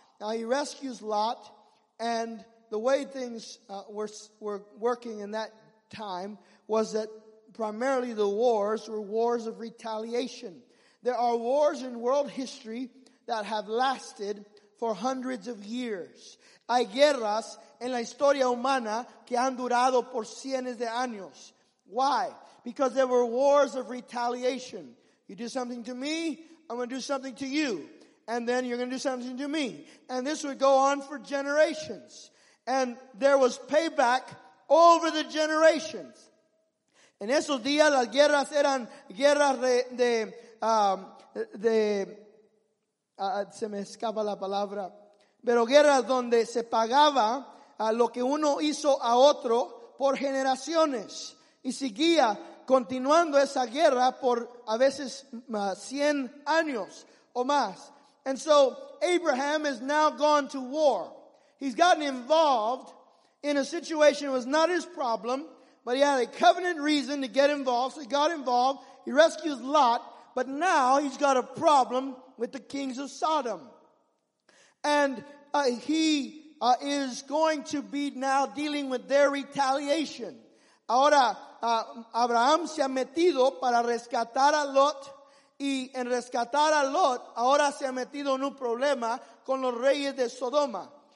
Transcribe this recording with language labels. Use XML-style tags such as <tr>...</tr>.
<en>Now he rescues Lot, and the way things were working in that time was that primarily the wars were wars of retaliation. There are wars in world history that have lasted for hundreds of years.</en> <es>Hay guerras en la historia humana que han durado por cientos de años.</es> <en>Why? Because there were wars of retaliation. You do something to me, I'm going to do something to you. And then you're going to do something to me. And this would go on for generations. And there was payback over the generations.</en> <es>En esos días las guerras eran guerras se me escapa la palabra. Pero guerras donde se pagaba a lo que uno hizo a otro por generaciones. Y seguía continuando esa guerra por a veces 100 años o más.</es> <en>And so Abraham has now gone to war. He's gotten involved in a situation that was not his problem, but he had a covenant reason to get involved. So he got involved. He rescues Lot, but now he's got a problem with the kings of Sodom. And he is going to be now dealing with their retaliation.</en> <es>Ahora, Abraham se ha metido para rescatar a Lot. Y en rescatar a Lot, ahora se ha metido en un problema con los reyes de Sodoma.</es>